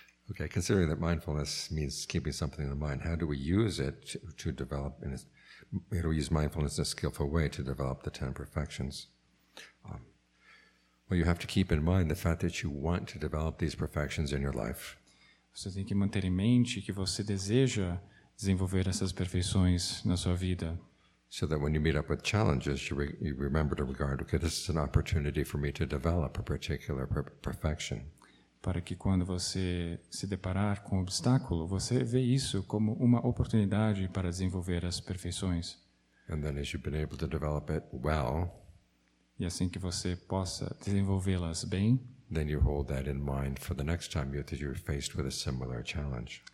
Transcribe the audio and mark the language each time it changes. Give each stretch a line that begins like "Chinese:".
English: Okay, considering that mindfulness means keeping something in the mind, how do we use it to develop, how do we use mindfulness in a skillful way to develop the 10 perfections? Well, you have to keep in mind the fact that you want to develop these perfections in your life.
Portuguese: Você tem que manter em mente que você deseja desenvolver essas perfeições na sua vida.
English: So that when you meet up with challenges, you remember to regard, okay, this is an opportunity for me to develop a particular perfection.
Portuguese: Para que quando você se deparar com um obstáculo, você vê isso como uma oportunidade para desenvolver as perfeições.
English: And then as you've been able to develop it well,
Portuguese: e assim que você possa desenvolvê-las bem,
English: then you hold that in mind for the next time you're faced with a similar challenge.